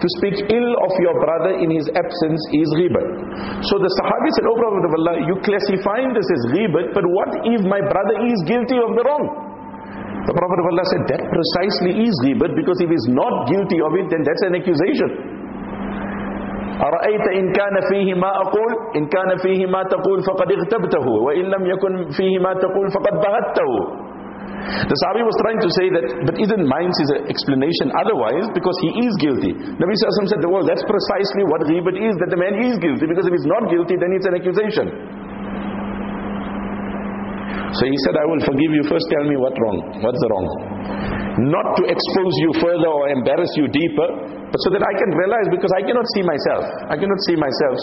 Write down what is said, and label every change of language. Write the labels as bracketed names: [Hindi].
[English] To speak ill of your brother in his absence is ghibat. So the Sahabi said, "Oh Prophet of Allah, you classifying this as ghibat, but what if my brother is guilty of the wrong?" The Prophet of Allah said, "That precisely is ghibat, because if he's not guilty of it, then that's an accusation." [Arabic] أرأيت إن كان فيه ما أقول إن كان فيه ما تقول فقد اغتبته وإن لم يكن فيه ما تقول فقد بهته. [English] The Sahabi was trying to say that, but isn't mine his explanation otherwise, because he is guilty. Nabi Sallallahu Alaihi Wasallam said, well, that's precisely what ghibat is, that the man is guilty, because if he's not guilty, then it's an accusation. So he said, "I will forgive you. First tell me what wrong. What's the wrong? Not to expose you further or embarrass you deeper, but so that I can realize, because I cannot see myself. I cannot see myself.